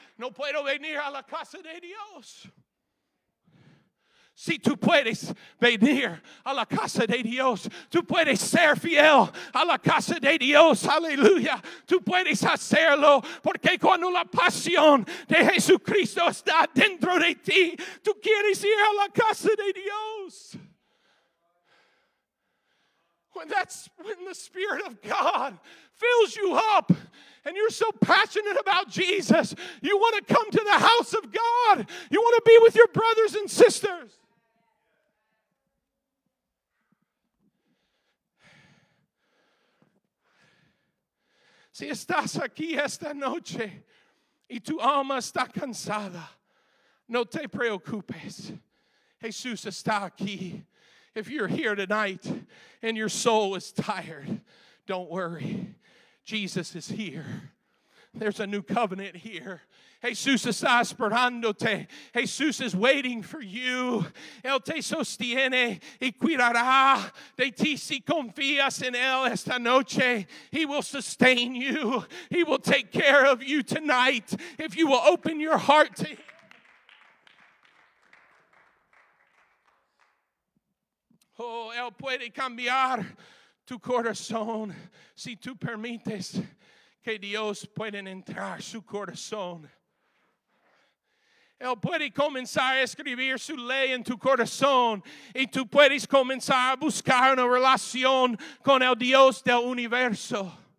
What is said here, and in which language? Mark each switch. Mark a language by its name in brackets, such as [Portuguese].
[Spanish] No puedo venir a la casa de Dios. Si tú puedes venir a la casa de Dios, tú puedes ser fiel a la casa de Dios, aleluya. Tú puedes hacerlo, porque cuando la pasión de Jesucristo está dentro de ti, tú quieres ir a la casa de Dios. [English] When the Spirit of God fills you up, and you're so passionate about Jesus, you want to come to the house of God. You want to be with your brothers and sisters. [Spanish] Si estás aquí esta noche y tu alma está cansada, no te preocupes. Jesús está aquí. [English] If you're here tonight and your soul is tired, don't worry. Jesus is here. There's a new covenant here. [Spanish] Jesús está esperándote. [English] Jesús is waiting for you. [Spanish] Él te sostiene y cuidará de ti si confías en Él esta noche. [English] He will sustain you. He will take care of you tonight if you will open your heart to Him. [Spanish] Oh, Él puede cambiar tu corazón si tú permites que Dios pueda entrar su corazón. Él puede comenzar a escribir su ley en tu corazón y tú puedes comenzar a buscar una relación con el Dios del universo.